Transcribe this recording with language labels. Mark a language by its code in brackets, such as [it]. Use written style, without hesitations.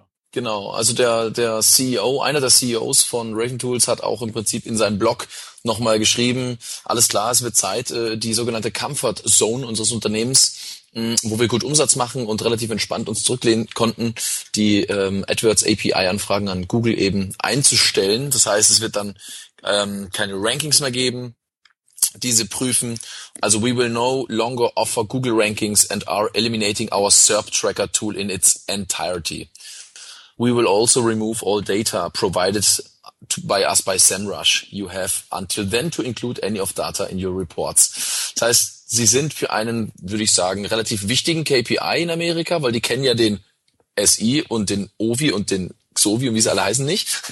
[de] Genau, also der CEO, einer der CEOs von Raven Tools hat auch im Prinzip in seinem Blog nochmal geschrieben, alles klar, es wird Zeit, die sogenannte Comfort Zone unseres Unternehmens, wo wir gut Umsatz machen und relativ entspannt uns zurücklehnen konnten, die AdWords API-Anfragen an Google eben einzustellen. Das heißt, es wird dann keine Rankings mehr geben, diese prüfen. [en] Also we will no longer offer Google Rankings and are eliminating our SERP Tracker tool in its entirety. We will also remove all data provided by us by SEMrush. You have until then to include any of data in your reports. [de] Das heißt, sie sind für einen, würde ich sagen, relativ wichtigen KPI in Amerika, weil die kennen ja den SI und den OVI und den XOVI und wie sie alle heißen, nicht.